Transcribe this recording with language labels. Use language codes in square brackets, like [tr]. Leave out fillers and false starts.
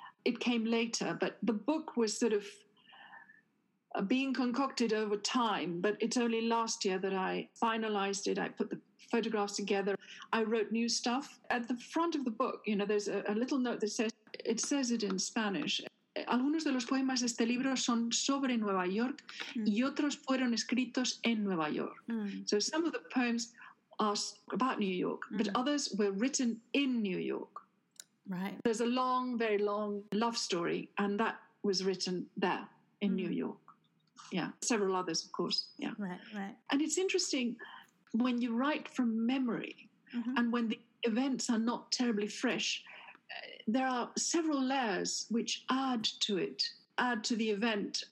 [en] it came later, but the book was sort of being concocted over time, but it's only last year that I finalized it. I put the photographs together. I wrote new stuff. At the front of the book, you know, there's a little note that says, it says it in Spanish. [es] Algunos de los poemas de este libro son sobre Nueva York y otros fueron escritos en Nueva York. [en] So some of the poems are about New York, but others were written in New York. Right. There's a long, very long love story, and that was written there in New York. Yeah, several others, of course. Yeah. Right, right. And it's interesting when you write from memory and when the events are not terribly fresh, there are several layers which add to it, add to the event.